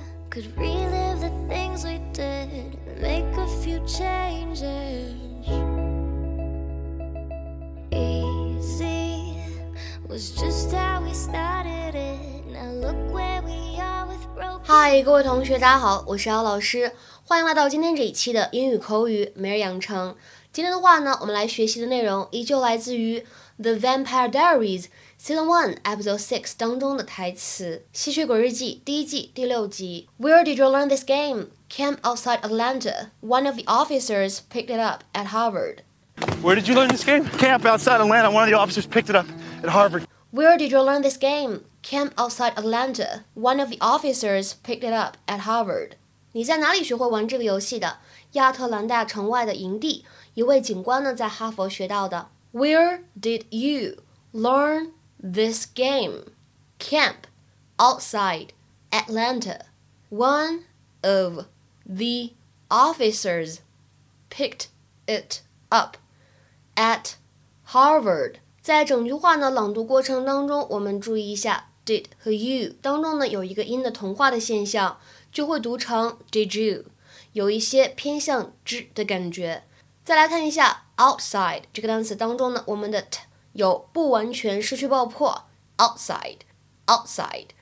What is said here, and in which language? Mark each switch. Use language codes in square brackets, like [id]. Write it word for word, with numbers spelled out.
[en] could relive the things we did and make a few changes. Easy was just how we started it. Now look where we are with broken. [zh] 嗨，各位同学，大家好，我是姚老师，欢迎来到今天这一期的英语口语每日养成。今天的话呢，我们来学习的内容依旧来自于 The Vampire Diaries Season one Episode six 当中的台词，吸血鬼日记第一季第六集。 [en] Where did you learn this game? Camp outside Atlanta. One of the officers picked it up at Harvard. Where did you learn this game? Camp outside Atlanta. One of the officers picked it up at Harvard. Where did you learn this game? Camp outside Atlanta. One of the officers picked it up at Harvard. [zh] 你在哪里学会玩这个游戏的？亚特兰大城外的营地，一位警官呢在哈佛学到的。 [en] Where did you learn this game? Camp outside Atlanta. One of the officers picked it up at Harvard. [zh] 在整句话呢朗读过程当中，我们注意一下 did 和 you 当中呢有一个音的同化的现象，就会读成 did you。有一些偏向之的感觉。再来看一下 outside 这个单词当中呢，我们的 t 有不完全失去爆破 outside outside。